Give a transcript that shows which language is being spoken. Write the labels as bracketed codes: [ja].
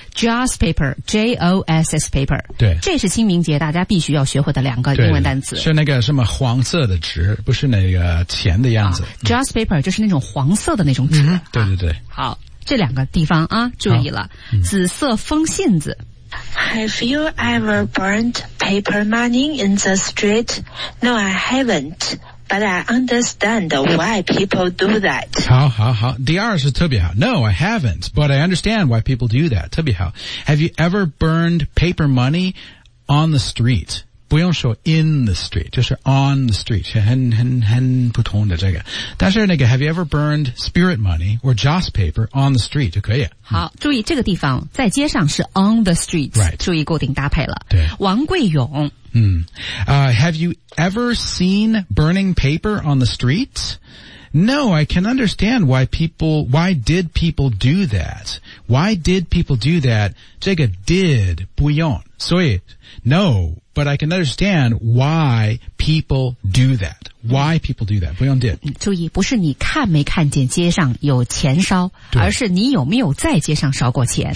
[en] ，joss paper， J O S S paper。 [zh] 对，这是清明节大家必须要学会的两个英文单词。是那个什么黄色的纸，不是那个。钱的样子、 joss paper 就是那种黄色的那种纸、对对对、好，这两个地方啊注意了、紫色风信子。 [en] Have you ever burned paper money in the street? No, I haven't, but I understand why people do that. [zh] 好好好，第二是特别好。 [en] No, I haven't, but I understand why people do that. [zh] 特别好。 [en] Have you ever burned paper money on the street? [zh] 不用说 [en] in the street， [zh] 就是 [en] on the street， [zh] 很普通的这个。但是那个 [en] have you ever burned spirit money or joss paper on the street [zh] 就可以。好，注意这个地方在街上是 [en] on the street， right， [zh] 注意固定搭配了。对，王贵勇。 [en] Have you ever seen burning paper on the street？ No, I can understand why did people do that? [zh] 这个 did 不用，所以 [en] no, but I can understand why people do that. Why people do that? [zh] 不用 [en] did. [zh] 注意，不是你看没看见街上有钱烧，而是你有没有在街上烧过钱。